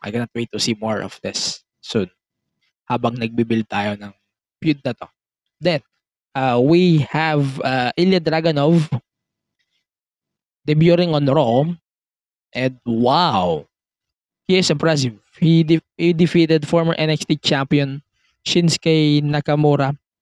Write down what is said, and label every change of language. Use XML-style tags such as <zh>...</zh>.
<en>I cannot wait to see more of this soon.</en> <tl>Habang nagbibuild tayo ng feud na to.</tl> <en>Then, we have Ilya Dragunov debuting on Raw. And wow! He is impressive. He defeated former NXT champion Shinsuke Nakamura.</en>